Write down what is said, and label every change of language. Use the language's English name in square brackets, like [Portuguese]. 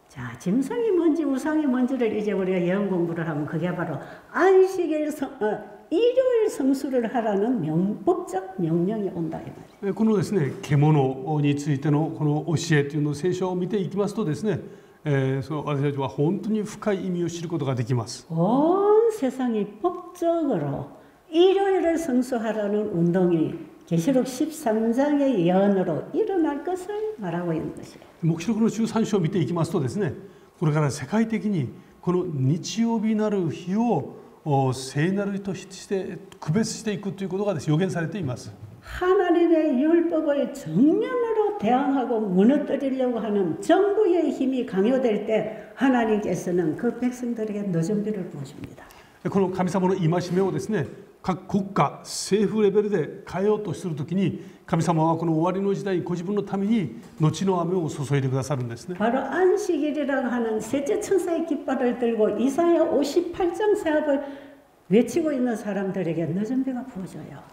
[Korean] 자, 짐승이 뭔지 우상이 뭔지를 이제 우리가 예언 공부를 하면 그게 바로 안식일 일요일 성수를 하라는 명법적 명령이 온다 이 말이에요. [Japanese] このですね、獣についてのこの教えというのを聖書を見ていきますとですね、私たちは本当に深い意味を知ることができます。 [Korean] 온 세상이 법적으로 일요일을 성수하라는 운동이 계시록 13장의 예언으로 일어날 것을 말하고 있는 것이에요. [Japanese] 目録の13章を見ていきますとですね、これから世界的にこの日曜日なる日を聖なる日として区別していくということが予言されています。 [Korean] 하나님의 율법을 정면으로 대항하고 무너뜨리려고 하는 정부의 힘이 강요될 때 하나님께서는 그 백성들에게 노점비를 보십니다. [Japanese] この神様の戒めをですね、各国家、政府レベルで変えようとするときに、神様はこの終わりの時代にご自分のために後の雨を注いでくださるんですね。 [Korean] 바로안식일이라고하는셋째천사의깃발을들고이사야58장사업을외치고있는사람들에게늦은비가부어져요。